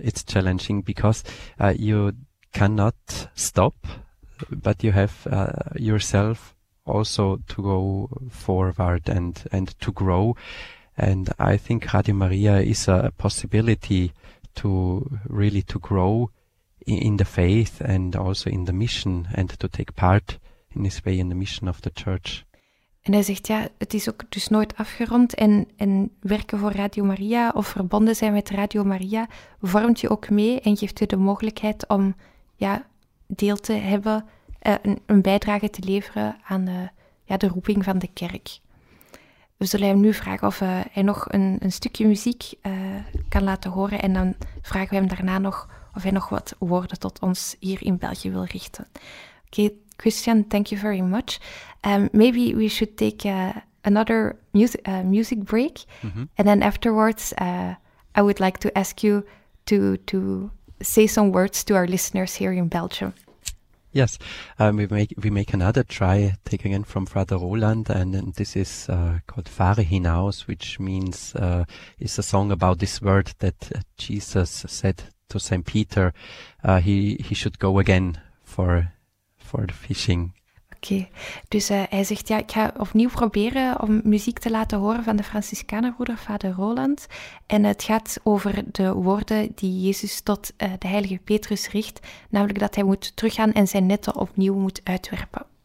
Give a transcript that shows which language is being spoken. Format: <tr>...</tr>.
<en>It's challenging because you cannot stop, but you have yourself also to go forward and to grow. And I think Radio Maria is a possibility to really to grow in the faith and also in the mission and to take part in this way in the mission of the church.</en> <nl>En hij zegt, ja, het is ook dus nooit afgerond en werken voor Radio Maria of verbonden zijn met Radio Maria vormt je ook mee en geeft je de mogelijkheid om deel te hebben, een bijdrage te leveren aan de roeping van de kerk. We zullen hem nu vragen of hij nog een stukje muziek kan laten horen en dan vragen we hem daarna nog of hij nog wat woorden tot ons hier in België wil richten.</nl> <en>Okay, Christian, thank you very much. Maybe we should take another music break. Mm-hmm. And then afterwards, I would like to ask you to say some words to our listeners here in Belgium. Yes, we make another try, take again from Father Roland, and this is called Fahre hinaus, which means is a song about this word that Jesus said to Saint Peter, he should go again for the fishing.</en> <nl>Okay, dus hij zegt, ja, ik ga opnieuw proberen om muziek te laten horen van de Franciscanenbroeder Vader Roland. En het gaat over de woorden die Jezus tot de heilige Petrus richt, namelijk dat hij moet teruggaan en zijn netten opnieuw moet uitwerpen.</nl>